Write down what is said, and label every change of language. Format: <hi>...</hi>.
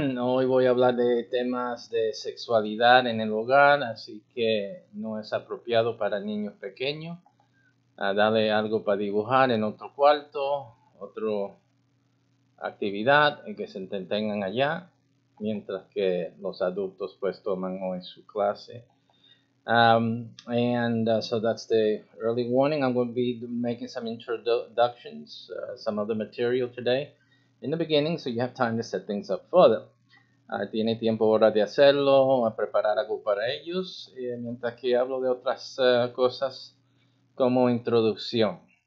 <es>hoy voy a hablar de temas de sexualidad en el hogar, así que no es apropiado para niños pequeños. Dale algo para dibujar en otro cuarto, otro actividad en que se entretengan allá mientras que los adultos pues toman hoy su clase.</es> <en>So that's the early warning. I'm going to be making some introductions, some of the material today in the beginning, so you have time to set things up further.</en> <es>Tiene tiempo ahora de hacerlo, a preparar algo para ellos, mientras que hablo de otras cosas como introducción.</es>